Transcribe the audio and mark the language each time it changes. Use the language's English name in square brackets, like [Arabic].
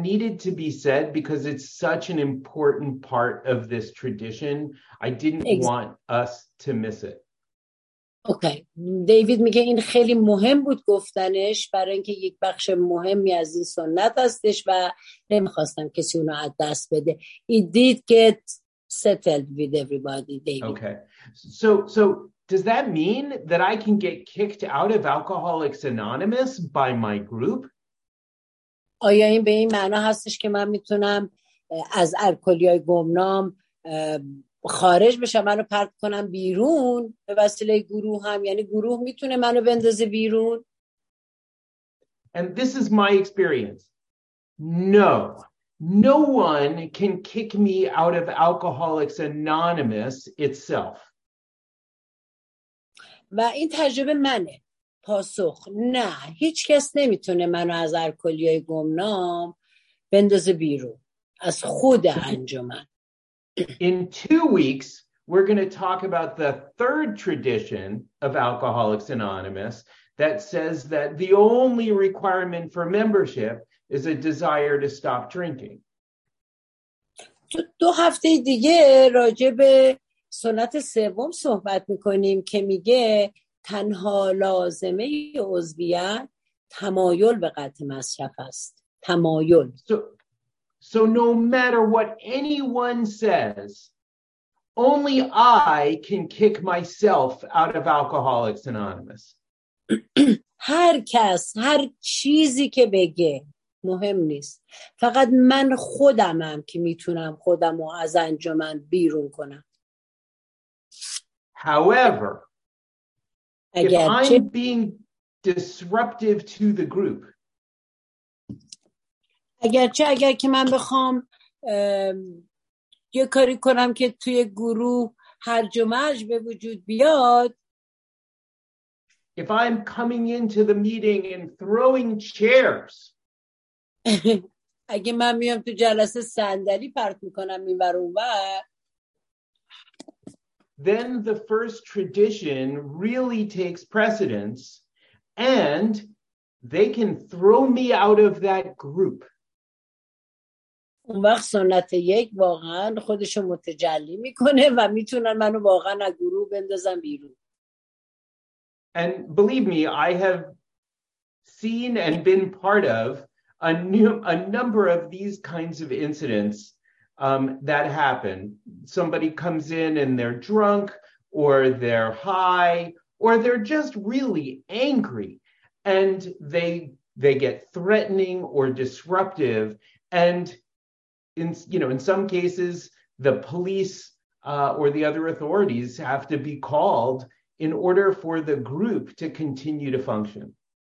[English] needed to be said, because it's such an important part of this tradition. I didn't want us to miss it. Okay. [Persian] David میگه این خیلی مهم بود گفتنش، برای اینکه یک بخش مهمی از این سنت هستش و نمیخواستم کسی اونو از دست بده. [English] It did get settled with everybody, David. Okay. So does that mean that I can get kicked out of Alcoholics Anonymous by my group? [Persian] آیا این به این معنا هستش که من میتونم از الکلیای گمنام خارج بشم، منو پرت کنم بیرون به وسیله گروه هم؟ یعنی گروه میتونه منو بندازه بیرون؟ [English] And this is my experience. No one can kick me out of Alcoholics Anonymous itself. [Persian] و این تجربه منه. پاسخ: نه، هیچ کس نمیتونه منو از الکلیای گمنام بندازه بیرون از خود انجمن. [English] In 2 weeks we're going to talk about the third tradition of Alcoholics Anonymous that says that the only requirement for membership is a desire to stop drinking. [Persian] دو هفته دیگه راجع به سنت سوم صحبت میکنیم که میگه تنها لازمه عضویت تمایل به قطع مصرف است. تمایل. [English] So no matter what anyone says, only I can kick myself out of Alcoholics Anonymous. [Persian] هر کس، هر چیزی که بگه مهم نیست، فقط من خودمم که میتونم خودم رو از انجمن بیرون کنم. [English] However, if I'm being disruptive to the group, [Persian] اگرچه اگر که من بخوام یه کاری کنم که توی گروه هرج و مرج به وجود بیاد، [English] if I'm coming into the meeting and throwing chairs, [Persian] اگه من میام تو جلسه صندلی پرت میکنم این بر اون بر، [English] then the first tradition really takes precedence and they can throw me out of that group. [Persian] اون وقت سنت یک واقعا خودشو متجلی میکنه و میتونن منو واقعا از گروه بندازن بیرون. [English] And believe me, I have seen and been part of a number of these kinds of incidents that happen. Somebody comes in and they're drunk, or they're high, or they're just really angry, and they get threatening or disruptive, and in some cases the police or the other authorities have to be called in order for the group to continue to function.